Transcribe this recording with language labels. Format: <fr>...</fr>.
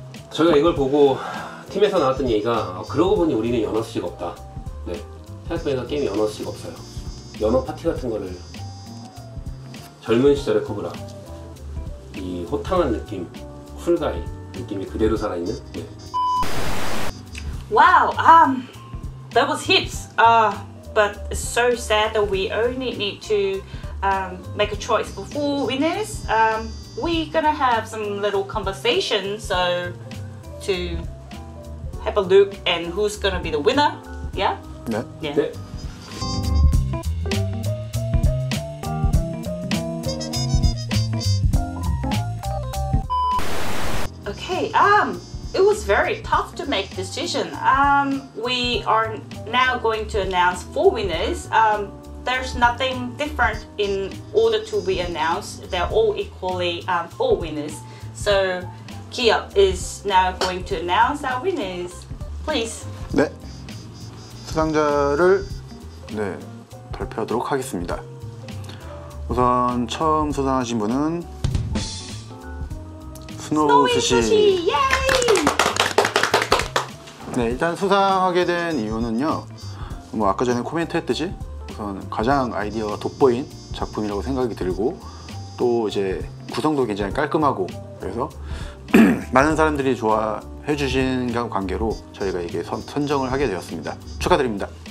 <ko>저희가 이걸 보고 팀에서 나왔던 얘기가 그러고 보니 우리는 연어 쓰시가 없다. 네. 페어스베이더 게임이 연어 쓰시가 없어요. 연어 파티 같은 거를 젊은 시절의 코브라 이 호탕한 느낌 쿨가이 느낌이 그대로 살아있는 네. 와우!</ko> <en>That was heaps, but it's so sad that we only need to make a choice for four winners. We're gonna have some little conversation, so to have a look and who's gonna be the winner, yeah? 네. 네. 네. 네. Okay, it was very tough to make decision. We are now going to announce four winners. There's nothing different in order to be announced. They're all equally four winners. So Kia is now going to announce our winners. Please.</en> <ko>네. 수상자를 네, 발표하도록 하겠습니다. 우선 처음 수상하신 분은 스노우 스시. 네, 일단 수상하게 된 이유는요, 뭐 아까 전에 코멘트 했듯이 우선 가장 아이디어가 돋보인 작품이라고 생각이 들고 또 이제 구성도 굉장히 깔끔하고 그래서 많은 사람들이 좋아해 주신 관계로 저희가 이게 선정을 하게 되었습니다. 축하드립니다.</ko>